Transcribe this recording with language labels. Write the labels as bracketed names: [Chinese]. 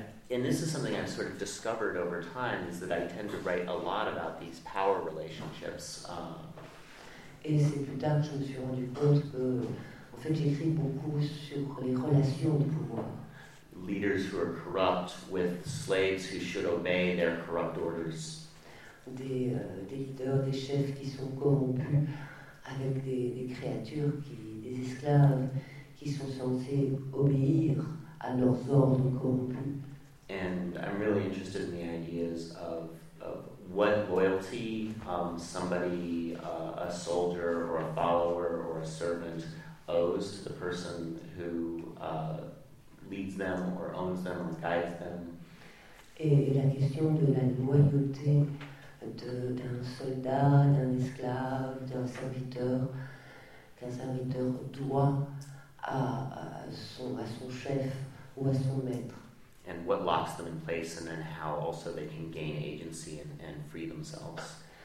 [English] And this is something I've sort of discovered over time, is that I tend to write a lot about these power relationships. [French] Et c'est plus tard que je me suis rendu compte que, en fait, j'écris beaucoup sur les relations de pouvoir. [English] Leaders who are corrupt with slaves who should obey their corrupt orders. [French] Des leaders, des chefs qui sont corrompus avec des créatures, des esclaves qui sont censés obéir à leurs ordres corrompus. [English] And I'm really interested in the ideas of what loyalty somebody, a soldier or a follower or a servant, owes to the person who leads them or owns them or guides them. [French] Et la question de la loyauté d'un soldat, d'un esclave, d'un serviteur doit à son chef ou à son maître. [English] And what locks them in place, and then how also they can gain agency and free themselves.